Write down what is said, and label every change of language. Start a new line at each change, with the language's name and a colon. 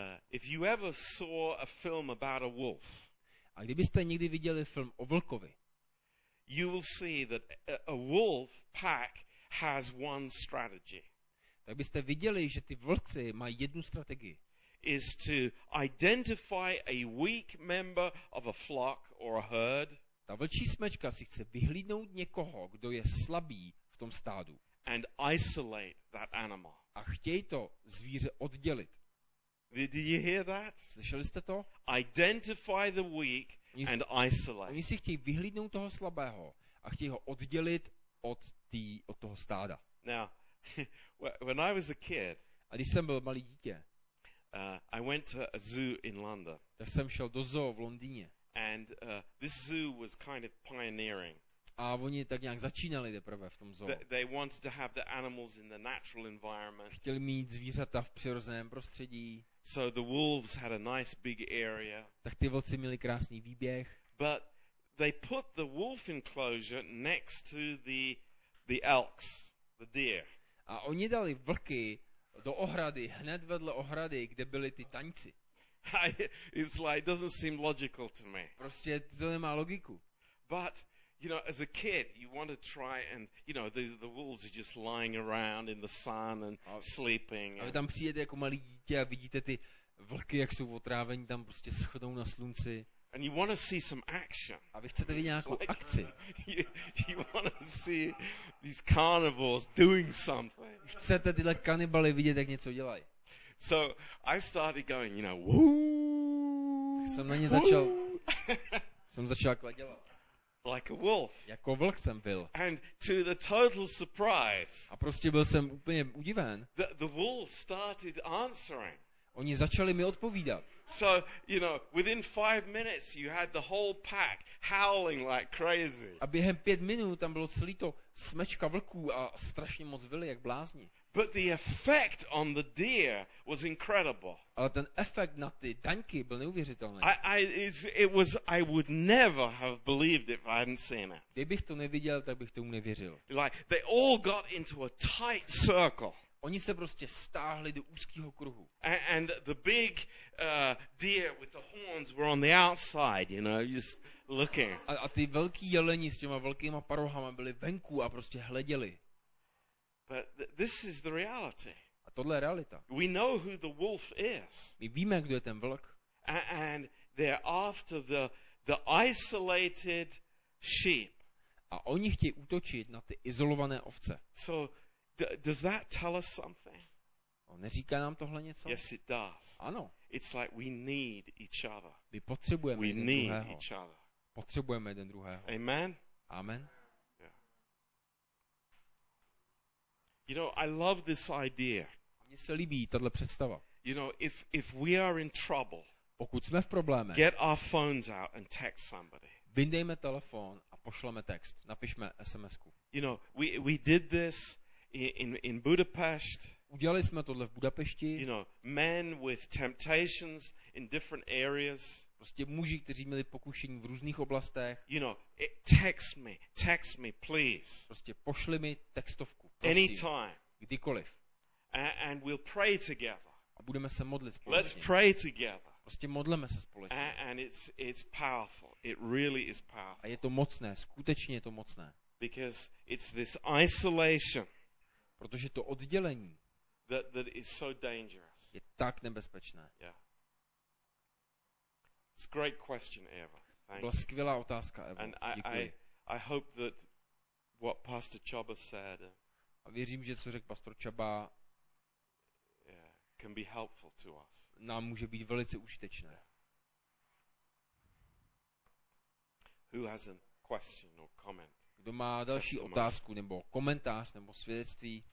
English: If you ever saw a film about a wolf,
Czech: a kdybyste někdy viděli film o vlkovi,
English: you will see that a wolf pack has one strategy.
Czech: Tak byste viděli, že ty vlci mají jednu strategii.
English: Is to identify a weak member of a flock or a herd.
Czech: Ta vlčí smečka si chce vyhlídnout někoho, kdo je slabý v tom stádu.
English: And isolate that animal.
Czech: A chtějí to zvíře oddělit.
English: Did you hear that?
Czech: Slyšeli jste to?
English: Identify the weak and isolate.
Czech: Oni si chtějí vyhlídnout toho slabého a chtějí ho oddělit od toho stáda.
English: Now, when I was a kid,
Czech: a když jsem byl malý dítě,
English: I went to a zoo in London.
Czech: Tak jsem šel do zoo v Londýně.
English: And this zoo was kind of pioneering.
Czech: A oni tak nějak začínali teprve v tom zoo.
English: They wanted to have the animals in the natural environment.
Czech: Chtěli mít zvířata v přirozeném prostředí.
English: So the wolves had a nice big area.
Czech: Tak ty vlci měli krásný výběh.
English: But they put the wolf enclosure next to the elks, the deer.
Czech: A oni dali vlky do ohrady, hned vedle ohrady, kde byli ty taňci.
English: It's like, doesn't seem logical to me.
Czech: Prostě to nemá logiku.
English: But you know, as a kid, you want to try and, you know, the wolves are just lying around in the sun and sleeping.
Czech: A tam přijete jako malý dítě a vidíte ty vlky, jak jsou otrávení, tam prostě schodou na slunci.
English: And you want to see some action.
Czech: A vy chcete vidět nějakou akci.
English: You want to see these carnivores doing something.
Czech: Chcete tyhle kanibaly vidět, jak něco dělají.
English: So I started going, you know, woo.
Czech: Jsem na ně začal. Jsem začal kladělat.
English: Like a wolf.
Czech: Jako vlk jsem byl.
English: And to the total surprise.
Czech: A prostě byl jsem úplně udiven.
English: The wolves started answering.
Czech: Oni začali mi odpovídat.
English: So, you know, within 5 minutes you had the whole pack howling like crazy.
Czech: A během 5 minut tam bylo celý to smečka vlků a strašně moc vyli jak blázni.
English: But the effect on the deer was incredible.
Czech: Ale ten efekt na ty daňky byl neuvěřitelný.
English: I would never have believed it if I hadn't seen it.
Czech: Kdybych to neviděl, tak bych tomu nevěřil.
English: Like they all got into a tight circle.
Czech: Oni se prostě stáhli do úzkého kruhu.
English: And the big deer with the horns were on the outside, you know, just looking.
Czech: A ty velký jeleni s těma velkýma parohama byli venku a prostě hleděli.
English: But this is the reality.
Czech: A tohle je realita.
English: We know who the wolf is.
Czech: My víme, kdo je ten vlk.
English: And they're after the isolated sheep.
Czech: A oni chtějí útočit na ty izolované ovce.
English: So does that tell us something?
Czech: On neříká nám tohle něco?
English: Yes, it does.
Czech: Ano.
English: It's like we need each other.
Czech: My potřebujeme
English: we
Czech: jeden
English: need
Czech: druhého.
English: Each other.
Czech: Potřebujeme jeden druhého.
English: Amen.
Czech: Amen.
English: You know, I love this idea.
Czech: Mně se líbí tato představa.
English: You know, if we are in trouble,
Czech: pokud jsme v problémech,
English: get our phones out and text somebody.
Czech: Vyndejme telefon a pošleme text, napišme SMSku.
English: You know, we did this in Budapest.
Czech: Udělali jsme tohle v Budapešti.
English: You know, men with temptations in different areas.
Czech: prostě muži, kteří měli pokušení v různých oblastech.
English: You know, text me, please.
Czech: Prostě pošli mi textovku. Prosím,
English: anytime.
Czech: Kdykoliv.
English: And we'll pray together.
Czech: A budeme se modlit společně.
English: Let's pray together.
Czech: Prostě modleme se společně.
English: And it's powerful. It really is powerful.
Czech: A je to mocné, skutečně je to mocné.
English: Because it's this isolation.
Czech: Protože to oddělení.
English: That is so dangerous.
Czech: Je tak nebezpečné.
English: Yeah. It's a great question, Eva. Thank
Czech: Byla skvělá otázka, Eva.
English: And I hope that what Pastor Chaba said.
Czech: A věřím, že co řekl Pastor Chaba,
English: can be helpful to us.
Czech: Nám může být velice užitečné.
English: Yeah. Who has a question or comment?
Czech: Kdo má další otázku nebo komentář nebo svědectví?